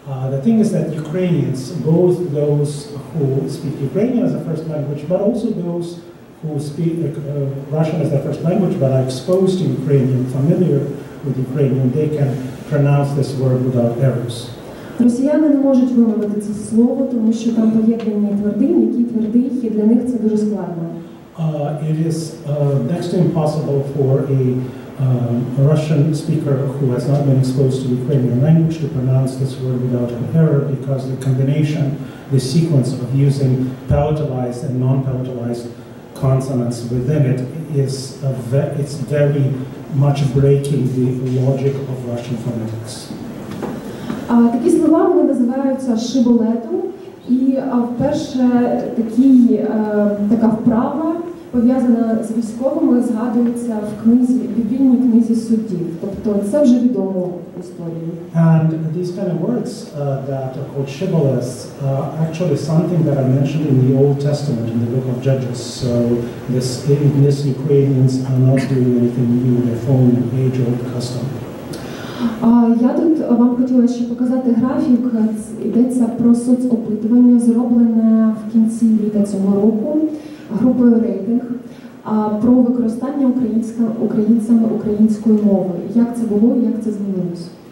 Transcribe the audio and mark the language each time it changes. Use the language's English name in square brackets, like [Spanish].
[English] The thing is that Ukrainians, both those who speak Ukrainian as a first language, but also those who speak Russian as their first language, but are exposed to Ukrainian, familiar with Ukrainian, they can pronounce this word without errors. [Ukrainian] Росіяни не можуть вимовити це слово, тому що там поєднані твердині, які твердий, і для них це дуже складно. [English] It is next to impossible for a Russian speaker who has not been exposed to Ukrainian language to pronounce this word without an error, because the combination, the sequence of using palatalized and non-palatalized consonants within it is it's very much breaking the logic of Russian phonetics. [Ukrainian] Такі слова вони називаються шиболетом, і вперше така вправа, пов'язана з військовими, згадується в книзі, біблійній книзі суддів. Тобто це вже відомо в історії. [English] And these kind of words that are called shibboleths are actually something that are mentioned in the Old Testament, in the Book of Judges. So this Ukrainians are not doing anything new, they're following an age-old custom. [Ukrainian] Я тут вам хотіла ще показати графік. Йдеться про соцопитування, зроблене в кінці літа цього року групою рейтинг про використання українцями української мови. Як це було і як це змінилось?